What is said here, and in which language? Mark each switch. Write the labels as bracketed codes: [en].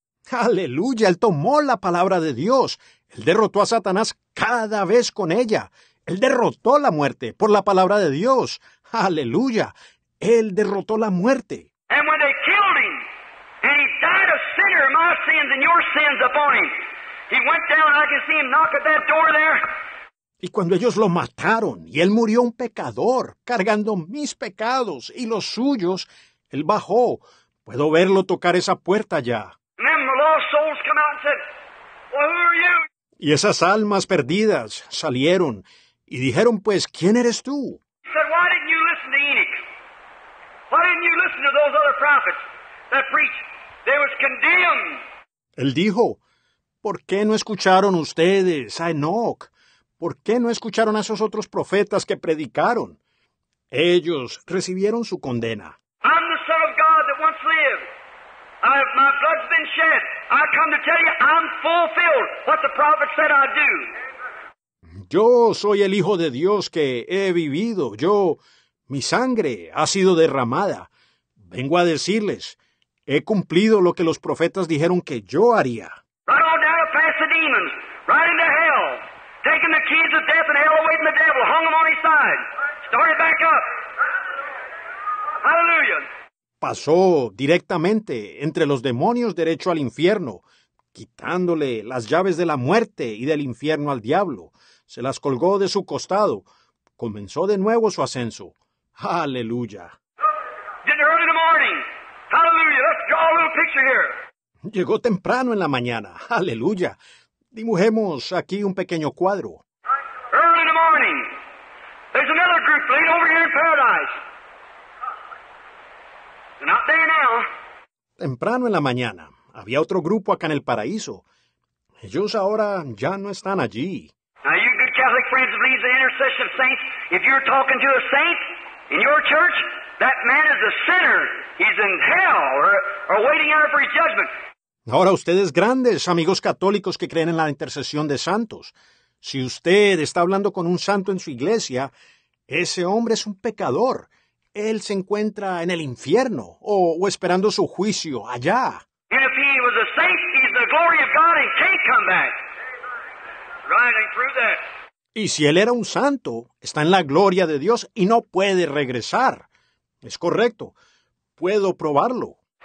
[es] ¡Aleluya! Él tomó la palabra de Dios. Él derrotó a Satanás cada vez con ella. Él derrotó la muerte por la palabra de Dios. ¡Aleluya! Él derrotó la muerte. [en] And when they killed him, and he died a sinner, my sins and your sins upon him. He went down, I can see him knock at that door there. [es] Y cuando ellos lo mataron, y él murió un pecador, cargando mis pecados y los suyos, él bajó. Puedo verlo tocar esa puerta ya. [en] And then the lost souls come out and said, well, who are you? [es] Y esas almas perdidas salieron, y dijeron pues, ¿quién eres tú? [en] He said, why didn't you listen to Enoch? Why didn't you listen to those other prophets that preached? They was condemned. [es] Él dijo, ¿por qué no escucharon ustedes a Enoch? ¿Por qué no escucharon a esos otros profetas que predicaron? Ellos recibieron su condena. [en] I'm the Son of God that once lived. My blood's been shed. I come to tell you, I'm fulfilled what the prophet said I'd do. [es] Yo soy el Hijo de Dios que he vivido. Mi sangre ha sido derramada. Vengo a decirles, he cumplido lo que los profetas dijeron que yo haría. [en] Right on down past the demons, right into hell, taking the keys of death and hell away from the devil, hung them on his side, started back up. Hallelujah. [es] Pasó directamente entre los demonios derecho al infierno, quitándole las llaves de la muerte y del infierno al diablo. Se las colgó de su costado. Comenzó de nuevo su ascenso. ¡Aleluya! [en] Early in the morning. Hallelujah. Let's draw a little picture here. [es] Llegó temprano en la mañana. ¡Aleluya! Dibujemos aquí un pequeño cuadro. [en] Early in the morning. There's another group laying over here in paradise. They're not there now. [es] Temprano en la mañana. Había otro grupo acá en el paraíso. Ellos ahora ya no están allí. [en] Now you good Catholic friends believe the intercession of saints. If you're talking to a saint... In your church, that man is a sinner. He's in hell or waiting out for his judgment. [es] Ahora ustedes grandes, amigos católicos que creen en la intercesión de santos. Si usted está hablando con un santo en su iglesia, ese hombre es un pecador. Él se encuentra en el infierno o esperando su juicio allá. [en] And if he was a saint, he's the glory of God and can't come back. Riding through that. [es] Y si él era un santo, está en la gloria de Dios y no puede regresar. Es correcto. Puedo probarlo.